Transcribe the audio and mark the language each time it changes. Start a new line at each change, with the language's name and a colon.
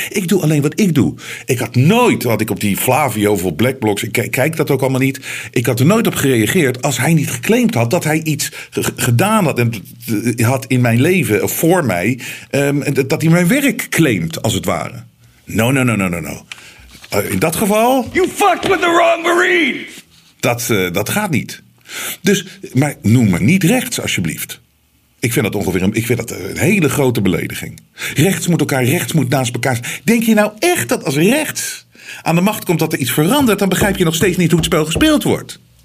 Dutch: Ik doe alleen wat ik doe. Ik had nooit, wat ik op die Flavio of op Black Blocks, ik kijk dat ook allemaal niet. Ik had er nooit op gereageerd als hij niet geclaimd had dat hij iets gedaan had en had in mijn leven voor mij. Dat hij mijn werk claimt, als het ware.
English: No, no, no, no, no, no.
Dutch: In dat geval.
English: You fucked with the wrong Marine!
Dutch: Dat gaat niet. Dus, maar noem me niet rechts, alsjeblieft. Ik vind dat een hele grote belediging. Rechts moet naast elkaar. Denk je nou echt dat als rechts aan de macht komt dat er iets verandert, dan begrijp je nog steeds niet hoe het spel gespeeld wordt.